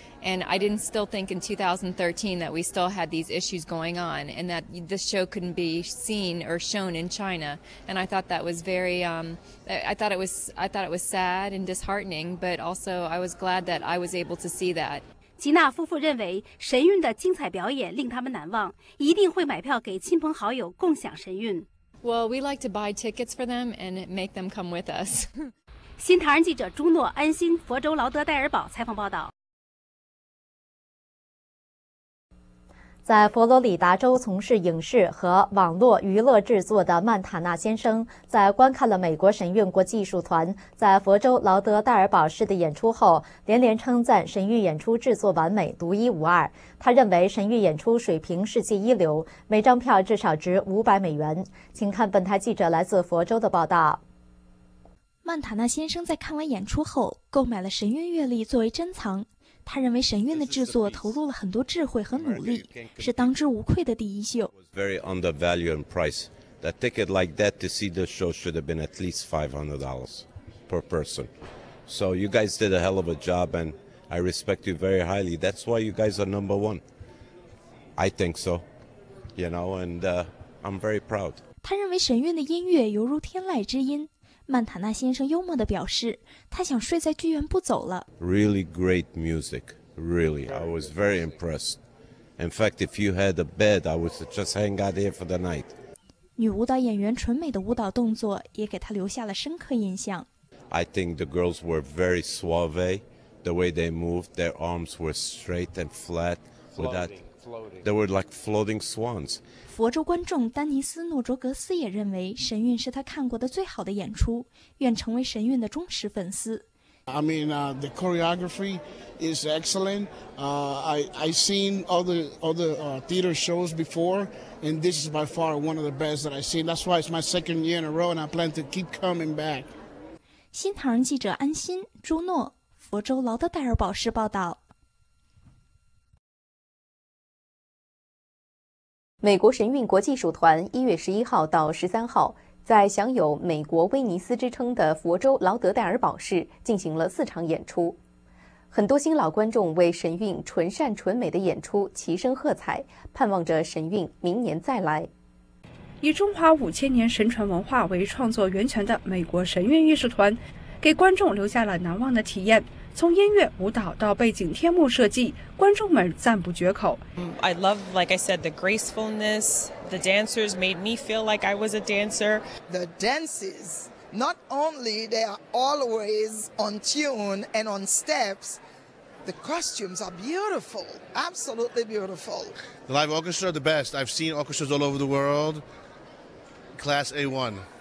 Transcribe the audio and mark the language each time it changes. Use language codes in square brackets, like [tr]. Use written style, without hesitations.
[en] And I didn't still think in 2013 that we still had these issues going on and that this show couldn't be seen or shown in China. And I thought that was very, I thought it was sad and disheartening, but also I was glad that I was able to see that. [zh] 吉娜夫妇认为神韵的精彩表演令他们难忘，一定会买票给亲朋好友共享神韵。 [en] Well, we like to buy tickets for them and make them come with us. [zh] 新唐人记者朱诺安心佛州劳德戴尔堡采访报道。在佛罗里达州从事影视和网络娱乐制作的曼塔纳先生，在观看了美国神韵国际艺术团在佛州劳德戴尔堡市的演出后，连连称赞神韵演出制作完美，独一无二。他认为神韵演出水平世界一流，每张票至少值500美元。请看本台记者来自佛州的报道。曼塔纳先生在看完演出后，购买了神韵乐历作为珍藏。他认为神韵的制作投入了很多智慧和努力，是当之无愧的第一秀。 [en] Very undervalued in price. That ticket like that to see the show should have been at least $500 per person. So you guys did a hell of a job, and I respect you very highly. That's why you guys are number one. I think so. You know, and I'm very proud. [zh] 他认为神韵的音乐犹如天籁之音。曼塔纳先生幽默地表示，他想睡在剧院不走了。 [en] Really great music, really. I was very impressed. In fact, if you had a bed, I would just hang out here for the night. [zh] 女舞蹈演员纯美的舞蹈动作也给他留下了深刻印象。 [en] I think the girls were very suave. The way they moved, their arms were straight and flat. Without, they were like floating swans. [zh] 佛州观众丹尼斯·诺卓格斯也认为神韵是他看过的最好的演出，愿成为神韵的忠实粉丝。 [en] I mean, the choreography is excellent. I've seen other theater shows before, and this is by far one of the best that I've seen. That's why it's my second year in a row, and I plan to keep coming back. [zh] 新唐人记者安心、朱诺，佛州劳德戴尔堡市报道。美国神韵国际艺术团1月11号到13号在享有美国威尼斯之称的佛州劳德戴尔堡市进行了四场演出。很多新老观众为神韵纯善纯美的演出齐声喝彩，盼望着神韵明年再来。以中华五千年神传文化为创作源泉的美国神韵艺术团给观众留下了难忘的体验，从音乐、舞蹈到背景天幕设计，观众们赞不绝口。 [en] I love, like I said, the gracefulness. The dancers made me feel like I was a dancer. The dances, not only they are always on tune and on steps, the costumes are beautiful, absolutely beautiful. The live orchestra are the best. I've seen orchestras all over the world. Class A1.